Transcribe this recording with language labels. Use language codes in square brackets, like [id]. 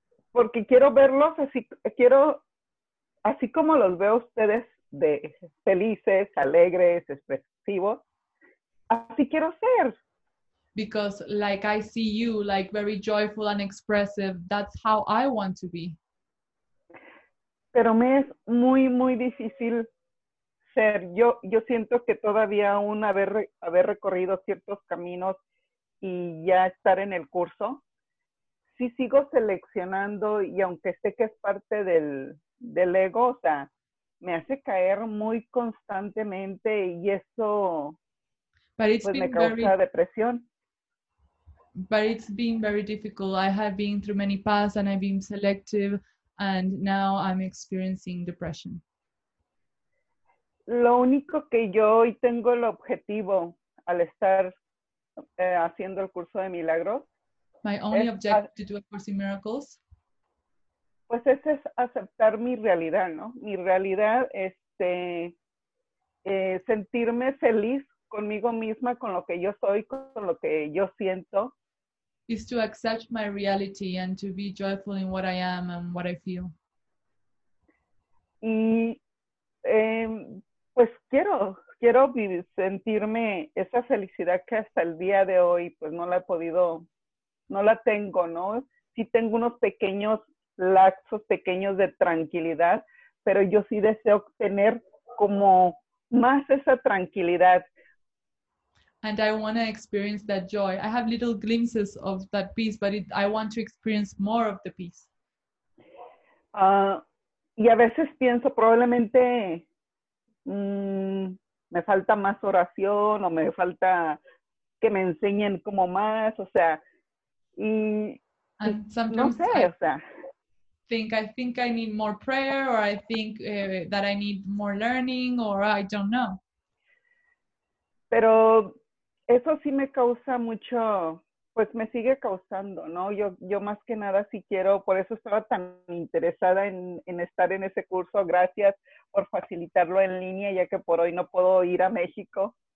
[es] Porque quiero verlos así, quiero, así como los veo ustedes de felices, alegres, expresivos, así quiero ser. [en] Because like I see you, like very joyful and expressive, that's how I want to be. [es] Pero me es muy, muy difícil ser. Yo siento que todavía aún haber recorrido ciertos caminos y ya estar en el curso, sí sigo seleccionando y aunque sé que es parte del ego, o sea, me hace caer muy constantemente y eso pues, me causa depresión. [en] But it's been very difficult. I have been through many paths and I've been selective. And now I'm experiencing depression. [es] Lo único que yo hoy tengo el objetivo al estar haciendo el curso de milagros. [en] My only objective to do a course in miracles. [es] Pues ese es aceptar mi realidad, ¿no? Mi realidad, sentirme feliz conmigo misma, con lo que yo soy, con lo que yo siento. [en] Is to accept my reality and to be joyful in what I am and what I feel. [es] Y pues quiero sentirme esa felicidad que hasta el día de hoy pues no la he podido, no la tengo, ¿no? Sí tengo unos pequeños lapsos, pequeños de tranquilidad, pero yo sí deseo tener como más esa tranquilidad. [en] And I want to experience that joy. I have little glimpses of that peace, but I want to experience more of the peace. [es] Y a veces pienso probablemente me falta más oración o me falta que me enseñen como más, o sea, y [en] and sometimes [es] no sé, [en] I think I need more prayer, or I think that I need more learning, or I don't know. [es] Pero eso sí me causa mucho, pues me sigue causando, ¿no? Yo más que nada sí quiero, por eso estaba tan interesada en estar en ese curso. Gracias por facilitarlo en línea, ya que por hoy no puedo ir a México.